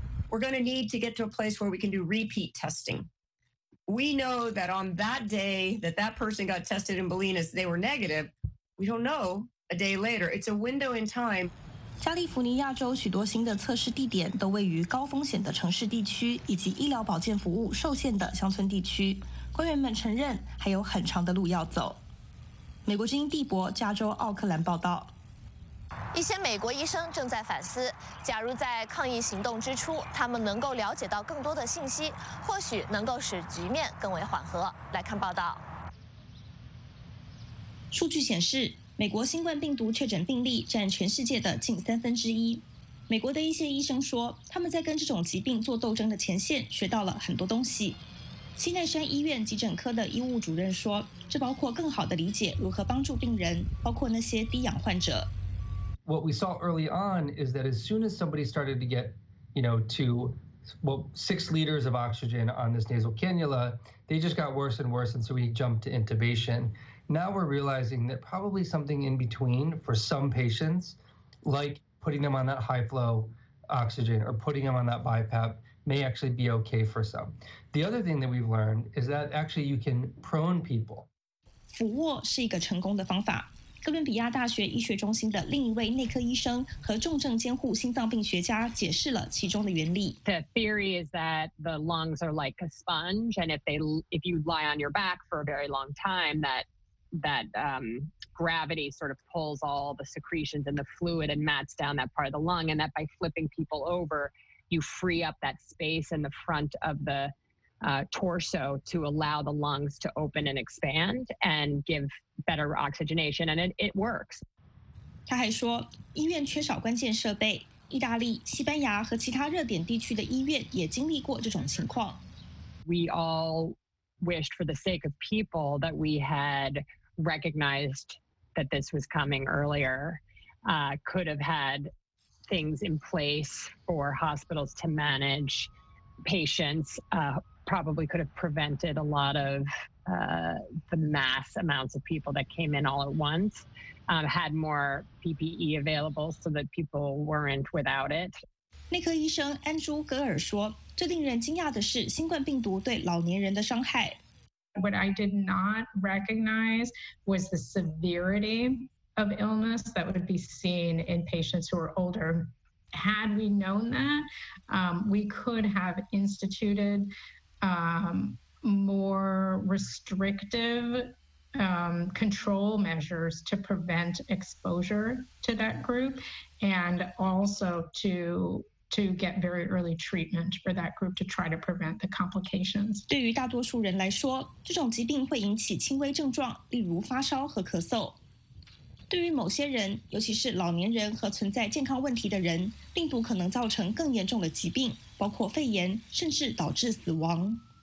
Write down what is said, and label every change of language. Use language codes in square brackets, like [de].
[en] We're going to need to get to a place where we can do repeat testing. We know that on that day that that person got tested in Bolinas, they were negative. We don't know a day later. It's a window in time. [zh] 加利福尼亚州许多新的测试地点都位于高风险的城市地区以及医疗保健服务受限的乡村地区。官员们承认还有很长的路要走。美国之音帝博加州奥克兰报道。一些美国医生正在反思，假如在抗疫行动之初他们能够了解到更多的信息，或许能够使局面更为缓和。来看报道。数据显示，美国新冠病毒确诊病例占全世界的近1/3。美国的一些医生说，他们在跟这种疾病做斗争的前线学到了很多东西。西奈山医院急诊科的医务主任说，这包括更好地理解如何帮助病人，包括那些低氧患者。 [en] What we saw early on is that as soon as somebody started to get, you know, to, well, 6 liters of oxygen on this nasal cannula, they just got worse and worse, and so we jumped to intubation. Now we're realizing that probably something in between for some patients, like putting them on that high flow oxygen or putting them on that BiPAP. May actually be okay for some. The other thing that we've learned is that actually you can prone people. [zh] 俯卧是一个成功的方法。哥伦比亚大学医学中心的另一位内科医生和重症监护心脏病学家解释了其中的原理。 [en] The theory is that the lungs are like a sponge, and if you lie on your back for a very long time, that gravity sort of pulls all the secretions and the fluid and mats down that part of the lung, and that by flipping people over. You free up that space in the front of the torso to allow the lungs to open and expand and give better oxygenation, and it works. [zh] 他还说，医院缺少关键设备。意大利、西班牙和其他热点地区的医院也经历过这种情况。 [en] We all wished, for the sake of people, that we had recognized that this was coming earlier. Could have had. Things in place for hospitals to manage patients, probably could have prevented a lot of the mass amounts of people that came in all at once, had more PPE available so that people weren't without it. [zh] 内科医生安朱·格尔说，最令人惊讶的是新冠病毒对老年人的伤害。 [en] What I did not recognize was the severity of illness that would be seen in patients who are older. Had we known that, we could have instituted more restrictive control measures to prevent exposure to that group and also to get very early treatment for that group to try to prevent the complications. [zh] 对于大多数人来说，这种疾病会引起轻微症状，例如发烧和咳嗽。对于某些人，尤其是老年人和存在健康问题的人，病毒可能造成更严重的疾病，包括肺炎，甚至导致死亡。